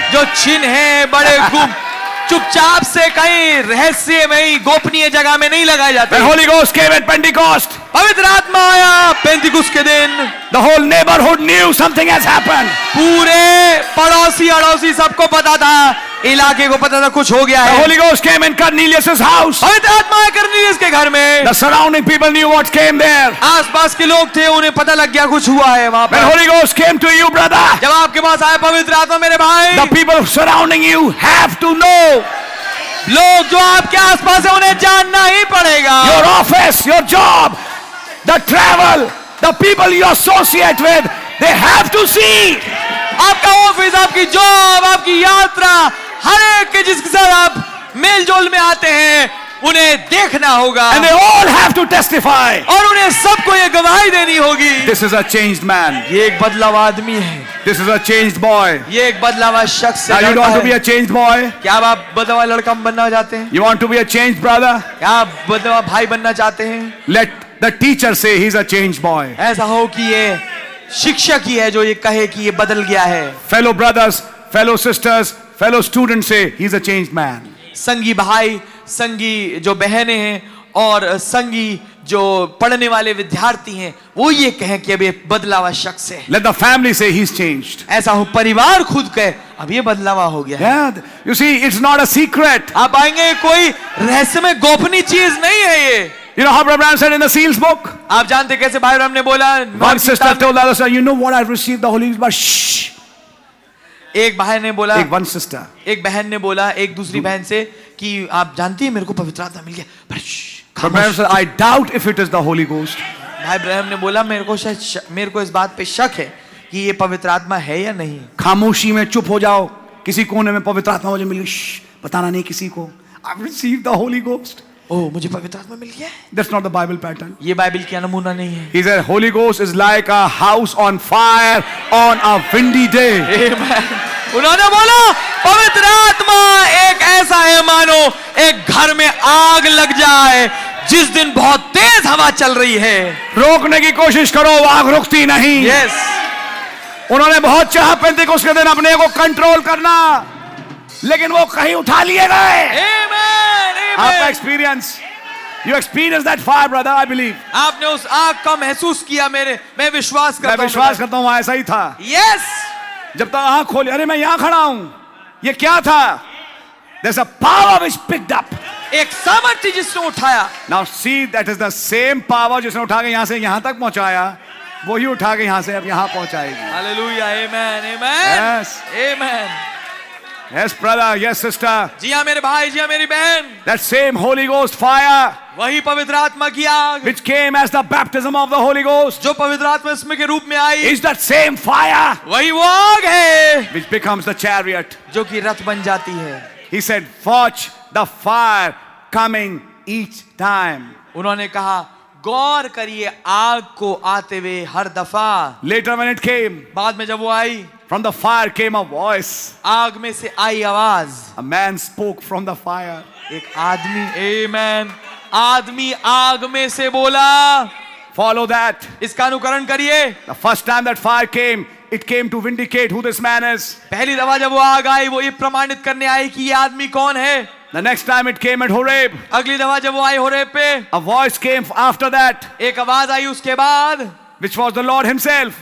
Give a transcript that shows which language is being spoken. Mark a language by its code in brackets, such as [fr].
[hi] जो चिन्ह हैं बड़े गुप चुपचाप से कहीं रहस्य में ही गोपनीय जगह में नहीं लगाए जाते. [en] The Holy Ghost came at Pentecost. [hi] पवित्र आत्मा आया पेंटिकुस के दिन. [en] The whole neighborhood knew something has happened. [hi] पूरे पड़ोसी अड़ोसी सबको पता था, इलाके को पता था कुछ हो गया है. [en] The Holy Ghost came in Cornelius's house. [hi] पवित्र आत्मा आया कर्नेलियस के घर में. [en] The surrounding people knew what came there. [hi] आसपास के लोग थे उन्हें पता लग गया कुछ हुआ है वहाँ पर. [en] The Holy Ghost came to you, brother. [hi] जब आपके पास आया पवित्र आत्मा मेरे भाई. [en] The people surrounding you have to know. [hi] लोग जो आपके आसपास है उन्हें जानना ही पड़ेगा. [en] Your office, your job, the travel, the people you associate with, they have to see. [hi] आपका ऑफिस, आपकी जॉब, आपकी यात्रा, हर एक के जिसके साथ आप मेल जोल में आते हैं उन्हें देखना होगा. [en] And they all have to testify. [hi] और उन्हें सबको ये गवाही देनी होगी. [en] This is a changed man. [hi] ये एक बदलाव आदमी है. [en] This is a changed boy. [hi] ये एक बदलाव शख्स है. [en] You want to be a changed boy? [hi] क्या आप बदलाव लड़का बनना चाहते हैं? [en] You want to be a changed brother? [hi] क्या आप बदलाव भाई बनना चाहते हैं? [en] Let the teacher say he's a changed boy. [hi] ऐसा हो कि ये शिक्षक ही है जो ये कहे कि ये बदल गया है. [en] Fellow brothers, fellow sisters, fellow students say he's a changed man. [hi] संगी भाई, संगी जो बहने हैं और संगी जो पढ़ने वाले विद्यार्थी हैं, वो ये कहें कि अब ये बदलाव शख्स है. [en] Let the family say he's changed. [hi] ऐसा हो परिवार खुद कहे अब ये बदलाव हो गया है. [en] Yeah, you see, it's not a secret. [hi] आप आएंगे कोई रहस्यमय गोपनीय चीज नहीं है ये. [en] You know how Brother Bram said in the seals book? [hi] आप जानते कैसे भाई राम ने बोला? [en] One sister told the other sister, you know what, I've received the Holy Ghost, but shh. [hi] एक भाई ने बोला. [en] एक one sister. [hi] एक बहन ने बोला एक दूसरी बहन से कि आप जानती हैं मेरे को पवित्र आत्मा मिल गया, पर shh. [en] Brother Bram said, I doubt if it is the Holy Ghost. [hi] भाई ब्रह्म ने बोला मेरे को इस बात पे शक है कि ये पवित्र आत्मा है या नहीं. खामोशी में चुप हो जाओ, किसी कोने में पवित्र आत्मा मुझे मिली, बताना नहीं किसी को. [en] I've received the Holy Ghost. [hi] Oh, मुझे पवित्र आत्मा मिल गया. [en] That's not the Bible pattern. [hi] ये बाइबल का नमूना नहीं है. [en] He said, Holy Ghost is like a house on fire on a windy day. [hi] उन्होंने बोला पवित्र आत्मा एक ऐसा है मानो एक घर में आग लग जाए जिस दिन बहुत तेज हवा चल रही है. रोकने की कोशिश करो वो आग रुकती नहीं. [en] Yes. [hi] उन्होंने बहुत चाहा पेंटेकोस्ट के दिन अपने को कंट्रोल करना, लेकिन वो कहीं उठा लिए गए. [en] आपका experience, you experience that fire brother. I believe [hi] आपने उस आग का महसूस किया. मैं विश्वास करता हूं ऐसा ही था. [en] Yes. [hi] जब तक आंख खोली, अरे मैं यहां खड़ा हूं, ये क्या था? [en] There's a power which picked up. [hi] एक सामर्थ्य जिसने उठाया. [en] Now see, that is the same power [hi] जिसने उठा के यहां से यहां तक पहुंचाया, वही उठा के यहां से अब यहां पहुंचाएगी. [en] Hallelujah, amen, amen. Yes. Amen. Yes, brother. Yes, sister. [hi] जी हाँ मेरे भाई, जी हाँ मेरी बहन. [en] That same Holy Ghost fire. [hi] वही पवित्र आत्मा की आग. [en] Which came as the baptism of the Holy Ghost. [hi] जो पवित्र आत्मा इसमें के रूप में आई. [en] Is that same fire. [hi] वही वो आग है. [en] Which becomes the chariot. [hi] जो कि रथ बन जाती है. [en] He said, "Watch the fire coming each time." [hi] उन्होंने कहा, गौर करिए आग को आते हुए हर दफा. [en] Later when it came. [hi] बाद में जब वो आई. [en] From the fire came a voice. [hi] आग में से आई आवाज. [en] A man spoke from the fire. [hi] एक आदमी. Amen. आदमी आग में से बोला. [en] Follow that. [hi] इसका अनुकरण करिए. [en] The first time that fire came, it came to vindicate who this man is. [hi] पहली दफा जब वो आग आई, वो ये प्रमाणित करने आई कि ये आदमी कौन है. [en] The next time it came at Horeb. [hi] अगली दफा जब वो आई होरेब पे. [en] A voice came after that. [hi] एक आवाज आई उसके बाद. [en] Which was the Lord Himself.